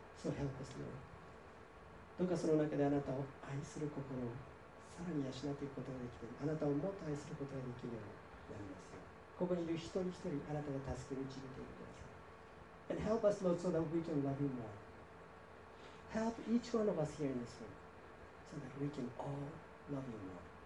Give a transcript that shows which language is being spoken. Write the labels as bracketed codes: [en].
[en] So help us, Lord. [ja] どうかその中であなたを愛する心をさらに養っていくことができて、あなたをもっと愛することができるようになりますよ。ここにいる一人一人、あなたが助けに導いてください。 [en] And help us, Lord, so that we can love you more. Help each one of us here in this room, so that we can all love you more.